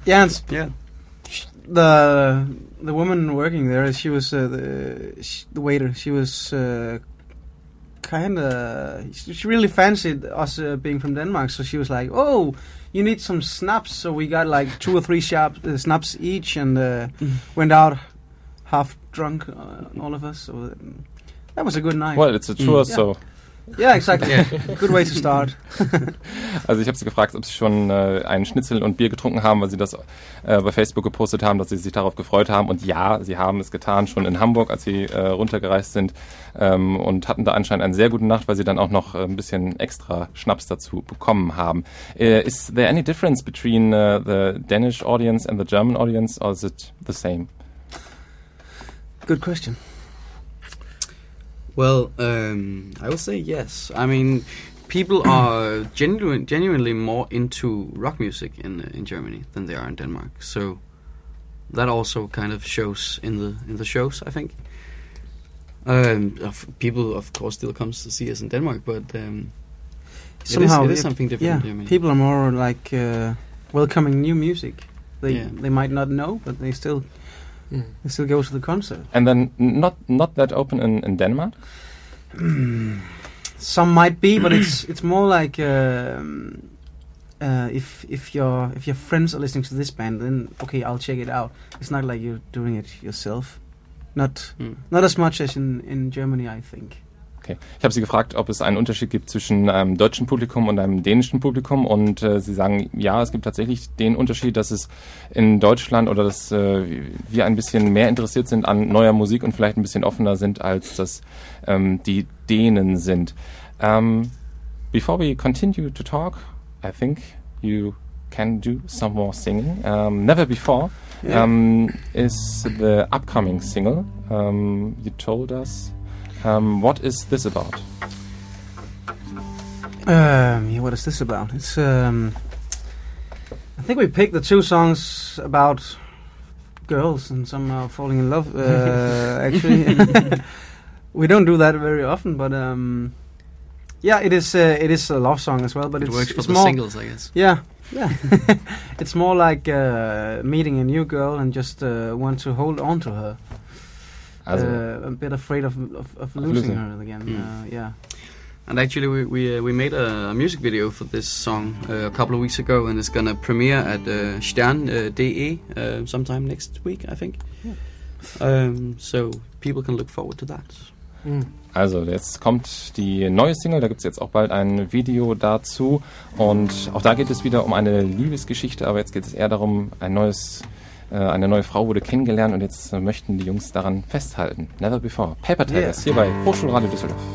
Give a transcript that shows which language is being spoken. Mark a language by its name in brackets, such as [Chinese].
[English] the woman working there, she was the waiter, she was kind of, she really fancied us being from Denmark, so she was like, oh, you need some schnapps, so we got like two or three schnapps each and went out half drunk, all of us, so that was a good night. Well, it's a tour, so yeah, exactly. Good way to start. [German] Also ich habe sie gefragt, ob sie schon einen Schnitzel und Bier getrunken haben, weil sie das bei Facebook gepostet haben, dass sie sich darauf gefreut haben. Und ja, sie haben es getan, schon in Hamburg, als sie runtergereist sind und hatten da anscheinend eine sehr gute Nacht, weil sie dann auch noch ein bisschen extra Schnaps dazu bekommen haben. [English] Is there any difference between the Danish audience and the German audience, or is it the same? Good question. Well, I will say yes. I mean, people are genuinely more into rock music in Germany than they are in Denmark. So that also kind of shows in the shows, I think. People, of course, still come to see us in Denmark, but it is something different in Germany. People are more like welcoming new music. They might not know, but they still... Mm. They still go to the concert. And then not that open in Denmark? Some might be, but it's more like if your friends are listening to this band, then okay, I'll check it out. It's not like you're doing it yourself. Not as much as in Germany, I think. [German] Ich habe sie gefragt, ob es einen Unterschied gibt zwischen einem deutschen Publikum und einem dänischen Publikum, und sie sagen, ja, es gibt tatsächlich den Unterschied, dass es in Deutschland oder dass wir ein bisschen mehr interessiert sind an neuer Musik und vielleicht ein bisschen offener sind, als das die Dänen sind. [English] Before we continue to talk, I think you can do some more singing. Never before. is the upcoming single you told us. What is this about? What is this about? It's I think we picked the two songs about girls and some falling in love. actually, we don't do that very often, but it is a love song as well. But it works for it's the more singles, I guess. Yeah, yeah. It's more like meeting a new girl and just want to hold on to her. A bit afraid of losing her again. Mm. And actually, we made a music video for this song a couple of weeks ago, and it's gonna premiere at Stern.de sometime next week, I think. Yeah. So people can look forward to that. Mm. [German] Also, jetzt kommt die neue Single, da gibt es jetzt auch bald ein Video dazu. Und auch da geht es wieder um eine Liebesgeschichte, aber jetzt geht es eher darum, eine neue Frau wurde kennengelernt und jetzt möchten die Jungs daran festhalten. Never Before. Paper Tigers, yeah. Hier bei Hochschulradio Düsseldorf.